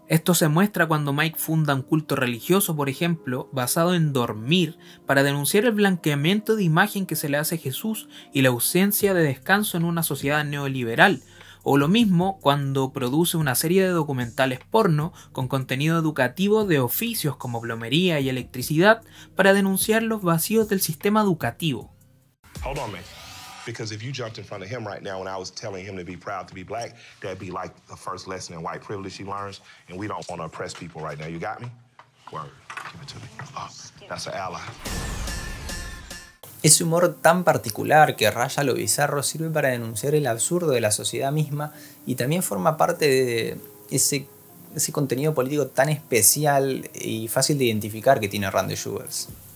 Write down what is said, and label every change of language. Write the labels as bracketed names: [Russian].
[Spanish] Esto se muestra cuando Mike funda un culto religioso, por ejemplo, basado en dormir, para denunciar el blanqueamiento de imagen que se le hace a Jesús y la ausencia de descanso en una sociedad neoliberal. O lo mismo cuando produce una serie de documentales porno con contenido educativo de oficios como plomería y electricidad para denunciar los vacíos del sistema educativo. [English] Hold on, man. Because if you jumped in front of him right now and I was telling him to be proud to be black, that'd be like the first lesson in white privilege he learns, and we don't want to oppress people right now. You got me? Word. Give it to me. Oh, that's an ally. [Spanish] Ese humor tan particular que raya lo bizarro sirve para denunciar el absurdo de la sociedad misma y también forma parte de ese ese contenido político tan especial y fácil de identificar que tiene Randy Jewels.